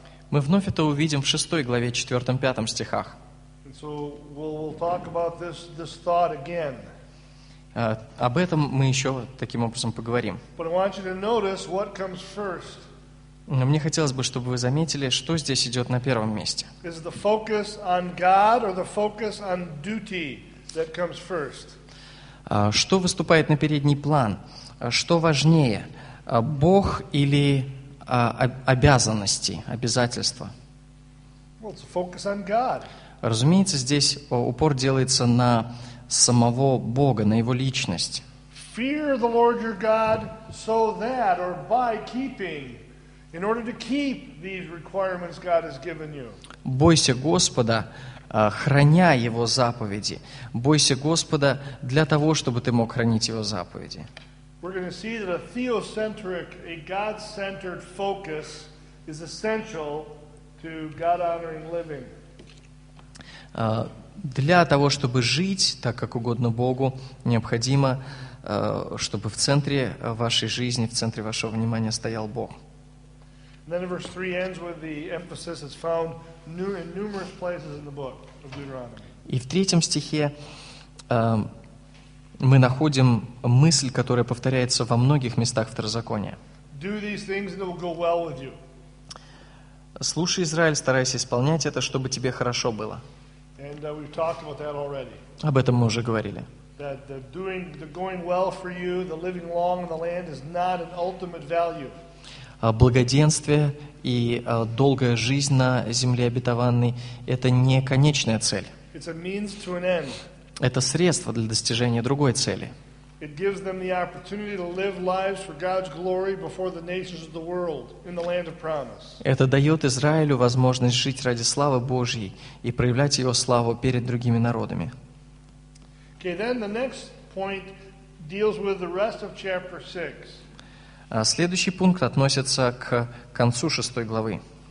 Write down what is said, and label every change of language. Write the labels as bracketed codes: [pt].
[ru] Мы вновь это увидим в 6 главе, 4-5 стихах. [en] So we'll talk about this thought again. [ru] Об этом мы еще таким образом поговорим. [en] But I want you to notice what comes first. [ru] Но мне хотелось бы, чтобы вы заметили, что здесь идет на первом месте. [en] Is the focus on God or the focus on duty that comes first? [ru] Что выступает на передний план? Что важнее, Бог или обязанности, обязательства? [en] Well, it's a focus on God. [ru] Разумеется, здесь упор делается на самого Бога, на Его личность. [en] Fear the Lord your God so that or by keeping, in order to keep these requirements God has given you. [ru] Бойся Господа, храня Его заповеди. Бойся Господа для того, чтобы ты мог хранить Его заповеди. [en] We're going to see that a theocentric, a God-centered focus is essential to God-honoring living. [ru] Для того, чтобы жить так, как угодно Богу, необходимо, чтобы в центре вашей жизни, в центре вашего внимания стоял Бог. [en] And then verse 3 ends with the emphasis that's found in numerous places in the book of Deuteronomy. [ru] И в третьем стихе мы находим мысль, которая повторяется во многих местах Второзакония. [en] Do these things and it will go well with you. [ru] Слушай, Израиль, старайся исполнять это, чтобы тебе хорошо было. [en] And we've talked about that already. [ru] Об этом мы уже говорили. [en] That the going well for you, the living long in the land is not an ultimate value. [ru] Благоденствие и долгая жизнь на земле обетованной – это не конечная цель. [en] It's a means to an end. [ru] Это средство для достижения другой цели. [en] It gives them the opportunity to live lives for God's glory before the nations of the world in the land of promise. [ru] Это дает Израилю возможность жить ради славы Божьей и проявлять его славу перед другими народами. [en] Okay, then the next point deals with the rest of chapter 6. [ru] Следующий пункт относится к концу шестой главы.